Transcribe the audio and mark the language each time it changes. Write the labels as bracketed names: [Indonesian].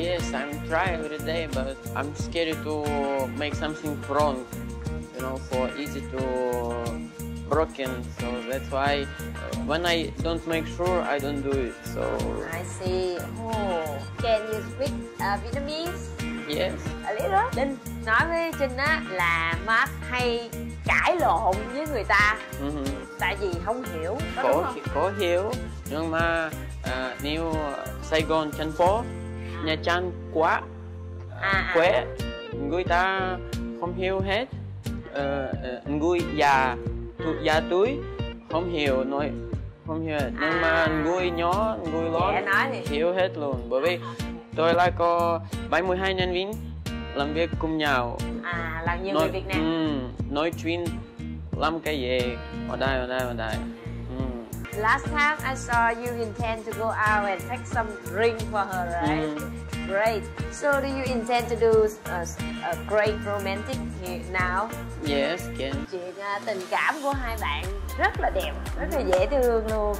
[English] Yes, I'm trying every day, but I'm scared to make something wrong, you know, for easy to broken. So that's why when I don't make sure, I don't do it. So I see. Oh, can you speak Vietnamese? Yes. A little. [Vietnamese] Then nói với Trinh á là Mark hay cãi lộn với người ta, tại vì không hiểu, đó có, đúng không? Có hiểu, nhưng mà nếu Sài Gòn, thành phố, Nha Trang quá quê, người ta không hiểu hết, người già tuổi không hiểu nói không hiểu, nhưng mà người nhỏ, người lớn hiểu hết luôn, bởi vì tôi là có 72 nhân viên làm việc cùng nhau. Là nhiều người Việt Nam. Nói chuyện làm cái gì ở đây. [English] Last time I saw you intend to go out and take some drink for her, right? Great. So do you intend to do a great romantic now? Yes, can. [Vietnamese] Chuyện tình cảm của hai bạn rất là đẹp, rất là dễ thương luôn.